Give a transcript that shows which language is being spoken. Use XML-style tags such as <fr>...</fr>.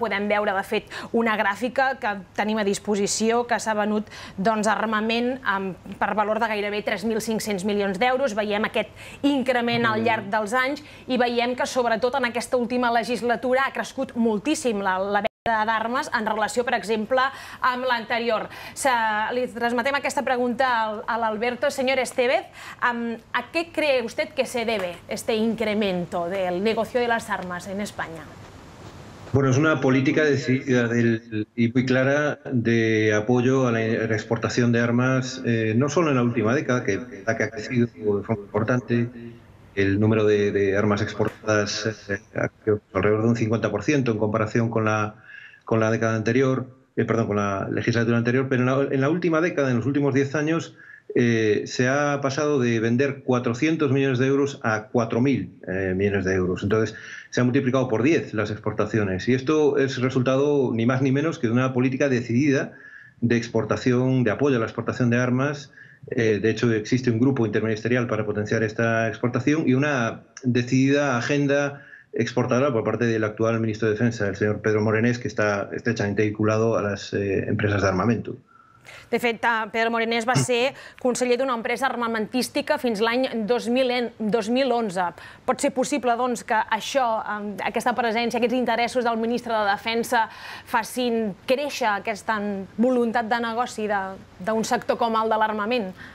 <ca>En podem veure, de fet, una gràfica que tenim a disposició, que s'ha venut doncs, armament per valor de gairebé 3.500 milions d'euros. Veiem aquest increment al llarg dels anys i veiem que, sobretot, en aquesta última legislatura ha crescut moltíssim la venda d'armes en relació, per exemple, amb l'anterior. Li transmetem aquesta pregunta a l'Alberto.</ca> <es>Senyor Estevez, a què cree usted que se debe este incremento del negocio de las armas en España? Bueno, es una política decidida y muy clara de apoyo a la exportación de armas, no solo en la última década, que la que ha crecido de forma importante, el número de armas exportadas alrededor de un 50% en comparación con la década anterior, perdón, con la legislatura anterior, pero en la última década, en los últimos 10 años, se ha pasado de vender 400 millones de euros a 4.000 millones de euros. Entonces, se ha multiplicado por 10 las exportaciones. Y esto es resultado ni más ni menos que de una política decidida de exportación, de apoyo a la exportación de armas. De hecho, existe un grupo interministerial para potenciar esta exportación y una decidida agenda exportadora por parte del actual ministro de Defensa, el señor Pedro Morenés, que está estrechamente vinculado a las empresas de armamento.</es> <ca>De fet, Pedro Morenés va ser conseller d'una empresa armamentística fins l'any 2011. Pot ser possible doncs, que això, aquesta presència, aquests interessos del ministre de Defensa facin créixer aquesta voluntat de negoci d'un sector com el de l'armament?</ca>